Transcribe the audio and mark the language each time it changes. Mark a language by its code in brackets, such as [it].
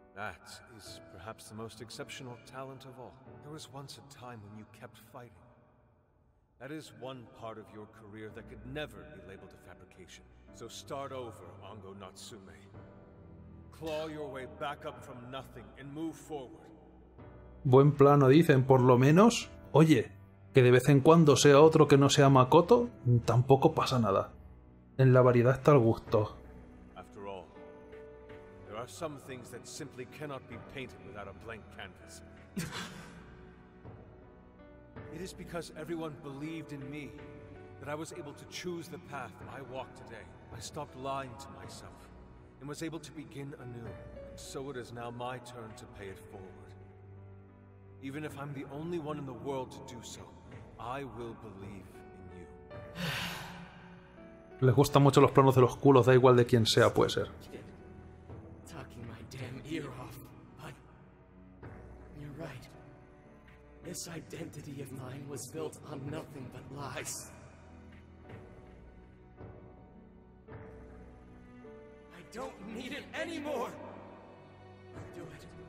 [en] That is perhaps the most exceptional talent of all. There was once a time when you kept fighting. That is one part of your career that could never be labeled a fabrication. So start over, Ango Natsume. Claw your way back up from nothing and move forward. [es] Buen plano, dicen, por lo menos. Oye. Que de vez en cuando sea otro que no sea Makoto, tampoco pasa nada. En la variedad está el gusto. [en] After all, there are some things that simply cannot be painted without a blank canvas. It is because everyone believed in me that I was able to choose the path I walk today. I stopped lying to myself and was able to begin anew. And so it is now my turn to pay it forward. Even if I'm the only one in the world to do so, I will believe in you. [es] Les gustan mucho los planos de los culos, da igual de quién sea, puede ser. [en] Talking my damn ear off, but you're right. This identity of mine was built on nothing but lies. I don't need it anymore. I'll do it.